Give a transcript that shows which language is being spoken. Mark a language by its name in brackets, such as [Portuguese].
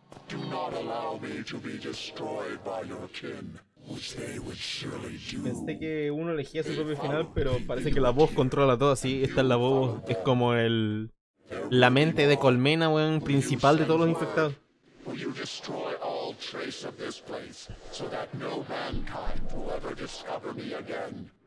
[English] Do not allow me to be destroyed by your kin, which they would surely do. [Spanish] Pensé que uno elegía su propio final, pero parece que la voz controla todo, así. Esta es la voz, es como el... la mente de colmena, weón, principal de todos los infectados. [English] Will you destroy all trace of this place, so that no mankind will ever discover me again?